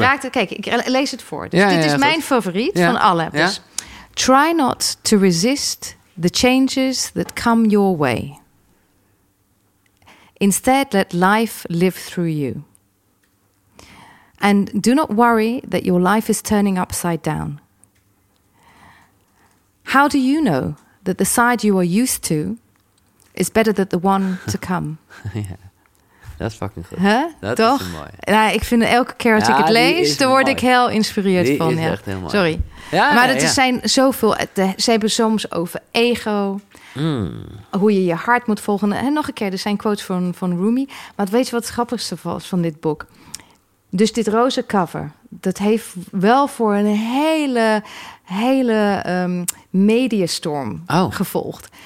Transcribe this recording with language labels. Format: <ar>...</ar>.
<nl>Kijk, ik lees het voor. Dus ja, dit is mijn favoriet van alle. Dus, ja?</nl> <en>Try not to resist the changes that come your way. Instead, let life live through you. And do not worry that your life is turning upside down. How do you know that the side you are used to is better than the one to come?</en> <nl>Ja, dat is fucking goed. Huh? Dat toch? Is mooi. Ja, ik vind elke keer als ik het lees, dan word ik heel geïnspireerd van. Die is echt heel mooi. Sorry. Ja, maar het zijn zoveel. Ze hebben soms over ego. Mm. Hoe je je hart moet volgen. En nog een keer, er zijn quotes van Rumi. Maar weet je wat het grappigste was van dit boek? Dus dit roze cover, dat heeft wel voor een hele mediastorm gevolgd.</nl>